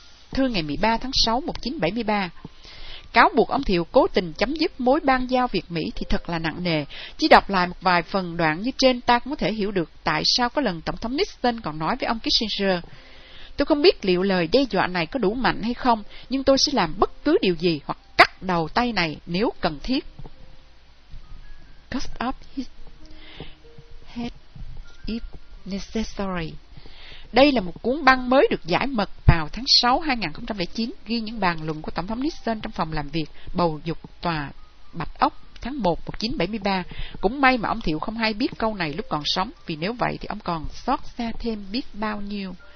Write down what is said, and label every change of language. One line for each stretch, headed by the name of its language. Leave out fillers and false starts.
Vietnamese: Thư ngày 13 tháng 6, 1973. Cáo buộc ông Thiệu cố tình chấm dứt mối ban giao Việt-Mỹ thì thật là nặng nề. Chỉ đọc lại một vài phần đoạn như trên ta cũng có thể hiểu được tại sao có lần Tổng thống Nixon còn nói với ông Kissinger, tôi không biết liệu lời đe dọa này có đủ mạnh hay không, nhưng tôi sẽ làm bất cứ điều gì hoặc cắt đầu tay này nếu cần thiết.
English: Cut off his head if necessary.
Vietnamese: Đây là một cuốn băng mới được giải mật vào tháng 6 2009, ghi những bàn luận của Tổng thống Nixon trong phòng làm việc bầu dục tòa Bạch Ốc tháng 1 1973. Cũng may mà ông Thiệu không hay biết câu này lúc còn sống, vì nếu vậy thì ông còn xót xa thêm biết bao nhiêu.